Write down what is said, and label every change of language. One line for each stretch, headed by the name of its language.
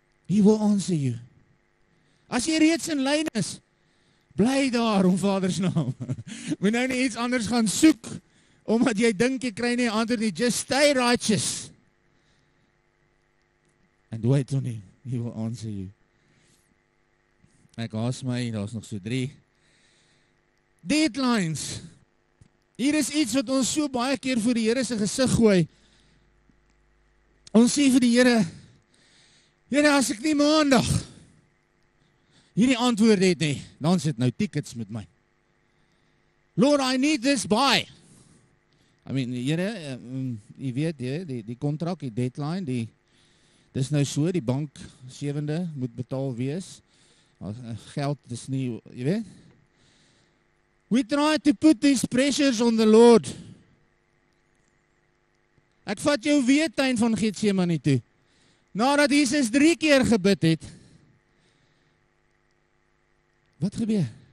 English: He will answer you.
Afrikaans: As jy reeds in lyn is, bly daar om Vaders naam. Moet nou nie iets anders gaan soek, omdat jy dink jy kry nie ander nie,
English: just stay righteous. And wait on him, he will answer you.
Afrikaans: Ek haas my, daar is nog so 3. Deadlines. Hier is iets wat ons so baie keer voor die Here se gesig gooi. Ons sê vir die Here, Here, as ek nie maandag hierdie antwoord het nie, dan sit nou tickets met my.
English: Lord, I need this by. I mean,
Afrikaans: Here, jy weet, die kontrak, die deadline, die dis nou so, die bank 7de moet betaal wees. Geld is nie, jy weet.
English: We try to put these pressures on the Lord.
Afrikaans: Ek vat jou weer tuin van Getsemane toe. Nadat Jesus 3 keer gebid het. Wat gebeur?